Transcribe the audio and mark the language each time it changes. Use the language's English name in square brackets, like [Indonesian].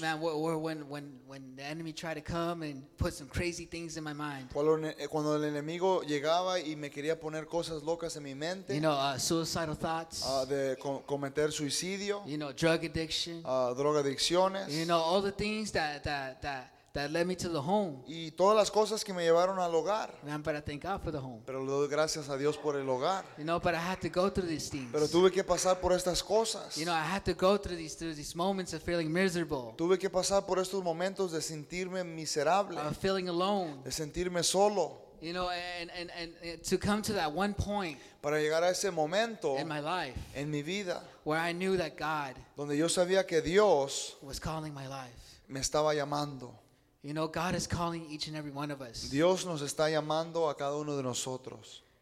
[English] Man, when the enemy tried to come and put some crazy things in my mind. [Spanish] Cuando el enemigo llegaba y me quería poner cosas locas en mi mente. [English] You know, suicidal thoughts. [Spanish] Cometer suicidio. [English] You know, drug addiction. [Spanish] Drogadicciones. [English] You know, all the things that led me to the home. [Spanish] Y todas las cosas que me llevaron al hogar. [English] Man, but I thank God for the home. [Spanish] Pero le doy gracias a Dios por el hogar. [English] You know, but I had to go through these things. [Spanish] Pero tuve que pasar por estas cosas. [English] You know, I had to go through these moments of feeling miserable. [Spanish] Tuve que pasar por estos momentos de sentirme miserable. [English] Of feeling alone. [Spanish] De sentirme solo. [English] You know, and to come to that one point. [Spanish] Para llegar a ese momento. [English] In my life. [Spanish] En mi vida. [English] Where I knew that God. [Spanish] Donde yo sabía que Dios. [English] Was calling my life. [Spanish] Me estaba llamando. [English] You know, God is calling each and every one of us. [Spanish] Dios nos está llamando a cada uno de nosotros.